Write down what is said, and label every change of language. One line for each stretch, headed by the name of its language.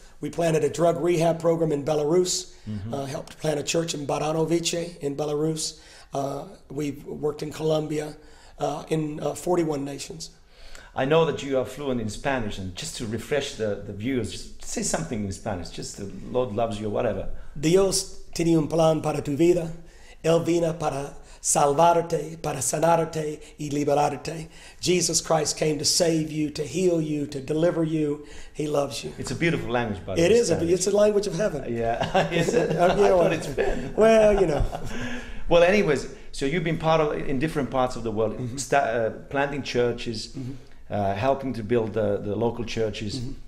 English: We planted a drug rehab program in Belarus, helped plant a church in Baranovice in Belarus. We've worked in Colombia, in 41 nations. I know that you are fluent in Spanish, and just to refresh the viewers, just say something in Spanish, just the Lord loves you or whatever.
Spanish: Dios tiene un plan para tu vida. Él vino para salvarte, para sanarte y liberarte.
English: Jesus Christ came to save you, to heal you, to deliver you. He loves you. It's a beautiful language, by the way. It is. It's a language of heaven. Yeah. Is it? I thought it's been. Well, you know. Well, anyways, so you've been part of in different parts of the world, planting churches, helping to build the local churches.